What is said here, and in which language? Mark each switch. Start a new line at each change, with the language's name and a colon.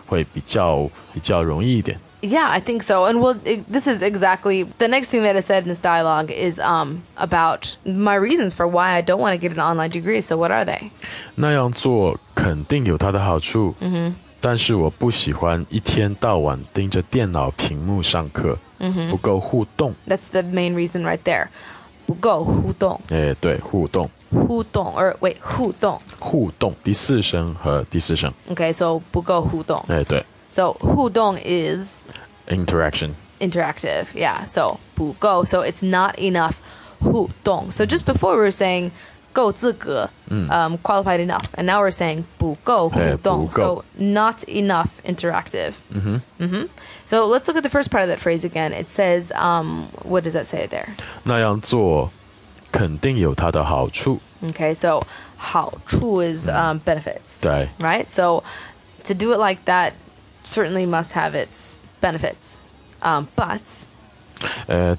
Chinese: 就是我觉得呢，上学还是去学校上会比较好一点，因为呢，就是也有其他的同学可以跟你一起上学，然后有老师，这样会比较容易一点。Yeah,
English: I think so. And well, this is exactly the next thing that I said in this dialogue is about my reasons for why I don't want to get an online degree. So what are they?
Chinese: 那样做肯定有它的好处。 Mm-hmm. 但是我不喜欢一天到晚盯着电脑屏幕上课, mm-hmm. 不够互动.
English: That's the main reason right there.
Chinese: 不够互动. 对,互动.
English: 互动, or wait, 互动.
Chinese: 互动, 第四声和第四声.
English: Okay, so
Chinese: 不够互动. 对。
English: So 互动 is? Interaction. Interactive, yeah. So 不够, so it's not enough 互动. So just before we were saying 够资格、qualified enough. And now we're saying
Chinese: 不够互动、不够
English: so not enough interactive. Mm-hmm. Mm-hmm. So let's look at the first part of that phrase again. It says, what does that say there?
Chinese: 那样做肯定有它的好处。
English: Okay, so 好处 is benefits.
Chinese: 对。
English: Right? So to do it like that certainly must have its benefits. But...